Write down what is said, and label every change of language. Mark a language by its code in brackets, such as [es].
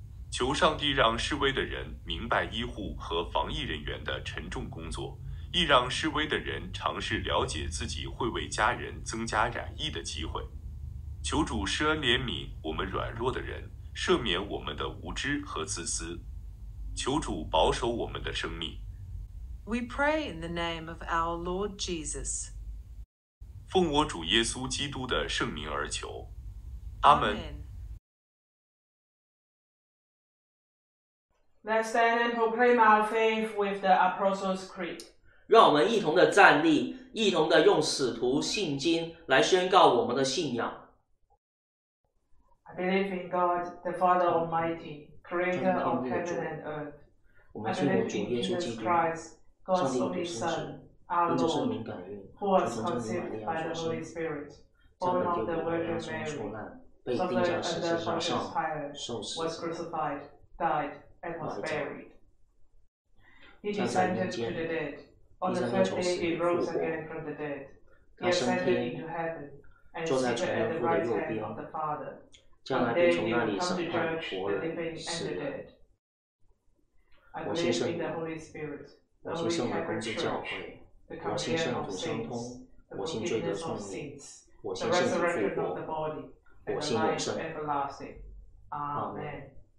[zh] 求上帝让示威的人明白医护和防疫人员的沉重工作，亦让示威的人尝试了解自己会为家人增加染疫的机会。求主施恩怜悯我们软弱的人，赦免我们的无知和自私。求主保守我们的生命。 [en] We pray in the name of our Lord Jesus. [zh] 奉我主耶稣基督的圣名而求。阿们。 [en] Let's stand and proclaim our faith with the Apostles' Creed. [zh] 让我们一同的站立，一同的用使徒信经来宣告我们的信仰。 [en] I believe in God, the Father Almighty, Creator of heaven and earth. I believe in Jesus Christ. God's only Son, our Lord, who was conceived by the Holy Spirit, born of the Virgin Mary, suffered under Pontius Pilate, was crucified, died, and was buried. He descended to the dead. On the third day, he rose again from the dead. He ascended into heaven and seated at the right hand of the Father. And then he will come to judge the living and the dead. I believe in the Holy Spirit. [zh] 我信圣灵工作教会，我信圣徒相通，我信罪得赦免，我信圣灵复活，我信永生。阿门。